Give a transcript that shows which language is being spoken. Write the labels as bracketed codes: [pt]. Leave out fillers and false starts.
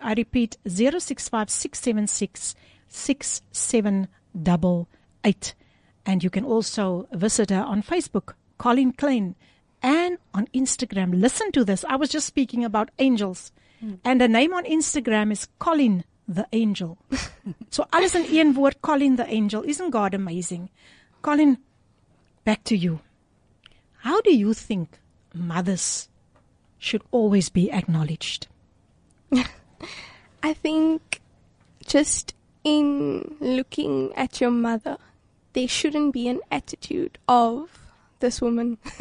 [en] I repeat, 0656766788. And you can also visit her on Facebook, Colin Klein, and on Instagram. Listen to this. I was just speaking about angels. And the name on Instagram is Colin the Angel. [af] So alles in een woord, Colin the Angel. [en] Isn't God amazing? Colin, back to you. How do you think mothers should always be acknowledged? I think just in looking at your mother, there shouldn't be an attitude of this woman.